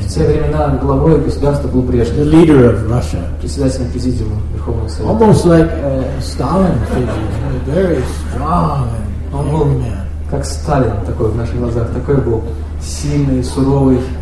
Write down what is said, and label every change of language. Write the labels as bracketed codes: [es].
[ru] В те времена главой государства был Брежнев. [en] The leader of Russia. [ru] Председателем президиума Верховного Совета. [en] Almost like a Stalin figure, very strong and angry man. [ru] Как Сталин такой в наших глазах, такой был сильный, суровый.